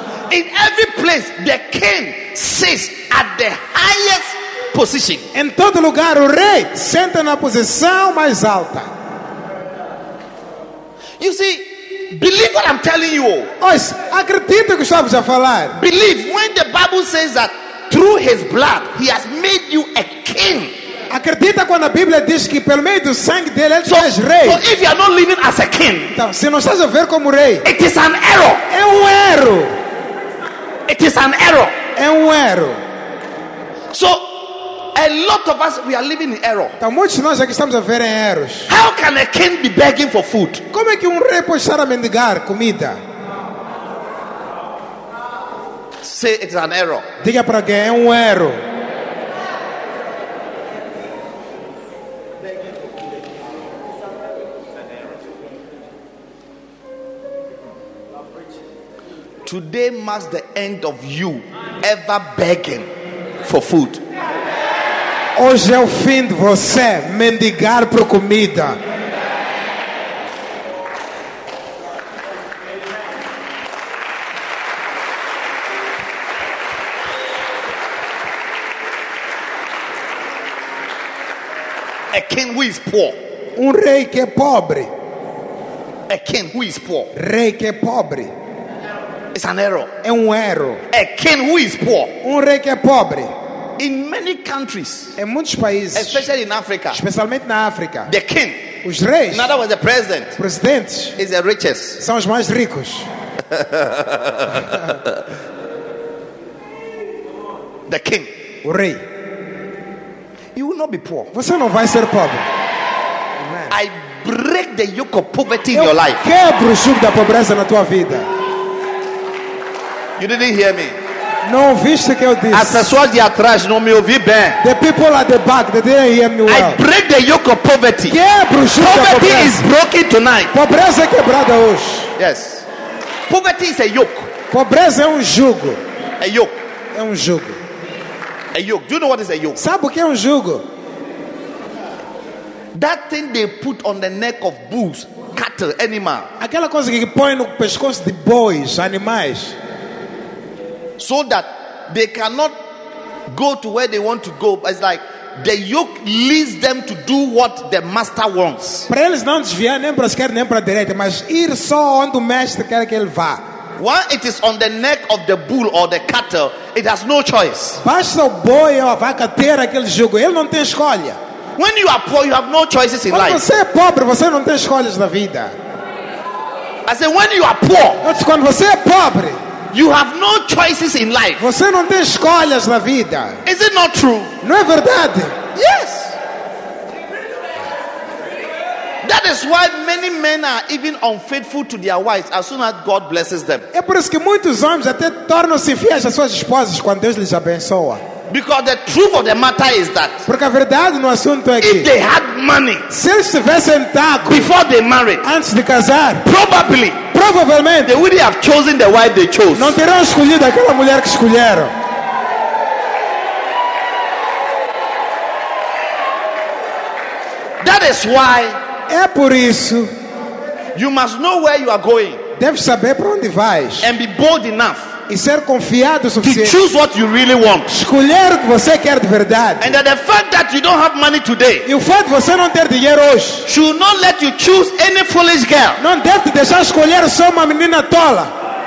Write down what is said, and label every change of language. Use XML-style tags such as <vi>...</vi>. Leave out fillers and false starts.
<en>In every place, the king sits at the highest position.</en> <pt>Em todo lugar, o rei senta na posição mais alta.</pt> <en>You see, believe what I'm telling you.</en> <pt>Pois, acredita que estou a falar.</pt> <en>Believe when the Bible says that through his blood he has made you a king.</en> <pt>Acredita quando a Bíblia diz que pelo meio do sangue dele ele é rei.</pt> <en>So if you are not living as a king,</en> <pt>então, se não estás a ver como rei,</pt> <en>it is an error.</en> <pt>É um erro.</pt> <en>It is an error.</en> <pt>É um erro.</pt> <en>So a lot of us, we are living in error.</en> <pt>Então, muitos de nós aqui estamos a ver em erros.</pt> <en>How can a king be begging for food?</en> <pt>Como é que rei pode estar a mendigar comida?</pt> <en>Say it is an error.</en> <pt>Diga para alguém, é um erro.</pt> <en>Today marks the end of you ever begging for food.</en> <pt>Hoje é o fim de você mendigar por comida.</pt> <en>A king who is poor.</en> <pt>Rei que é pobre.</pt> <en>A king who is poor.</en> <pt>Rei que é pobre.</pt> <en>It's an error.</en> <pt>É erro.</pt> <en>A king who is poor.</en> <pt>Rei que é pobre.</pt> <en>In many countries.</en> <pt>Em muitos países.</pt> <en>Especially in Africa.</en> <pt>Especialmente na África.</pt> <en>The king.</en> <pt>Os reis.</pt> <en>In other words, the president.</en> <pt>Presidentes.</pt> <en>Is the richest.</en> <pt>São os mais ricos.</pt> <en>The king.</en> <pt>O rei.</pt> <en>You will not be poor.</en> <pt>Você não vai ser pobre.</pt> <en>Amen. I break the yoke of poverty in your life.</en> <pt>Eu quebro o jugo da pobreza na tua vida.</pt> <en>You didn't hear me.</en> <pt>Não ouviste o que eu disse. As pessoas de atrás não me ouviram bem.</pt> <en>The people at the back, they didn't hear me well. I break the yoke of poverty.</en> <pt>Quebro o jugo da pobreza.</pt> <en>Poverty is broken tonight.</en> <pt>Pobreza é quebrada hoje.</pt> <en>Yes. Poverty is a yoke.</en> <pt>Pobreza é jugo.</pt> <en>A yoke.</en> <pt>É jugo.</pt> <en>A yoke. Do you know what is a yoke?</en> <pt>Sabe o que é jugo?</pt> <en>That thing they put on the neck of bulls, cattle, animal.</en> <pt>Aquela coisa que põe no pescoço de bois, animais.</pt> <en>So that they cannot go to where they want to go. It's like the yoke leads them to do what the master wants.</en> <pt>Para eles não desviar nem para a esquerda nem para a direita, mas ir só onde o mestre quer que ele vá.</pt> <en>While it is on the neck of the bull or the cattle, it has no choice.</en> <pt>Basta o boi ou a vaca ter aquele jugo, ele não tem escolha.</pt> <en>When you are poor, you have no choices in life.</en> <pt>Quando você é pobre, você não tem escolhas na vida.</pt> <en>I say when you are poor.</en> <pt>Mas quando você é pobre.</pt> <en>You have no choices in life.</en> <pt>Você não tem escolhas na vida.</pt> <en>Is it not true?</en> <pt>Não é verdade?</pt> <en>Yes. That is why many men are even unfaithful to their wives as soon as God blesses them.</en> <pt>É por isso que muitos homens até tornam-se fiéis às suas esposas quando Deus lhes abençoa.</pt> <en>Because the truth of the matter is that.</en> <pt>Porque a verdade no assunto é que.</pt> <en>If they had money.</en> <pt>Se eles tivessem taco.</pt> <en>Before they married.</en> <pt>Antes de casar.</pt> <en>Probably.</en> <pt>Provavelmente.</pt> <en>They would have chosen the wife they chose.</en> <pt>Não teriam escolhido aquela mulher que escolheram.</pt> <en>That is why.</en> <pt>É por isso.</pt> <en>You must know where you are going.</en> <pt>Deve saber para onde vais.</pt> <en>And be bold enough.</en> <pt>e ser confiado o suficiente.</pt> <en>To choose what you really want.</en> <pt>Escolher o que você quer de verdade.</pt> <en>And that the fact that you don't have money today.</en> <pt>E o fato de você não ter dinheiro hoje.</pt> <en>Should not let you choose any foolish girl.</en> <pt>Não deve te deixar escolher só uma menina tola.</pt>